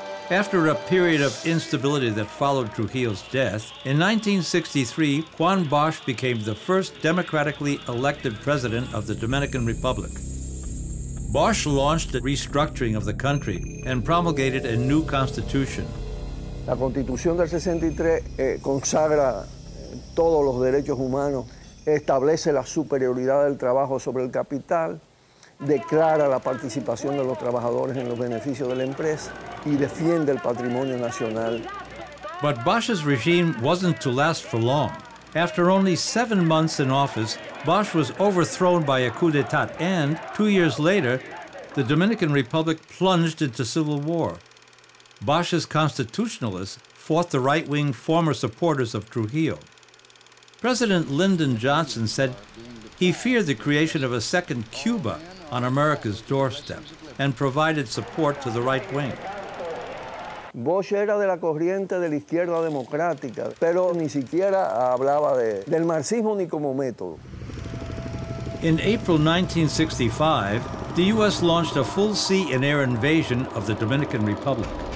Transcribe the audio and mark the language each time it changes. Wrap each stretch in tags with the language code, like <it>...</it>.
<en>After a period of instability that followed Trujillo's death, in 1963, Juan Bosch became the first democratically elected president of the Dominican Republic. Bosch launched the restructuring of the country and promulgated a new constitution.</en> <es>La Constitución del 63 consagra todos los derechos humanos, establece la superioridad del trabajo sobre el capital, declara la participación de los trabajadores en los beneficios de la empresa y defiende el patrimonio nacional.</es> <en>But Bosch's regime wasn't to last for long. After only 7 months in office, Bosch was overthrown by a coup d'etat, and 2 years later, the Dominican Republic plunged into civil war. Bosch's constitutionalists fought the right-wing former supporters of Trujillo. President Lyndon Johnson said he feared the creation of a second Cuba on America's doorstep. and provided support to the right wing.</en> <es>Bosch era de la corriente de la izquierda democrática, pero ni siquiera hablaba del marxismo ni como método.</es> <en>In April 1965, the U.S. launched a full sea and air invasion of the Dominican Republic.</en>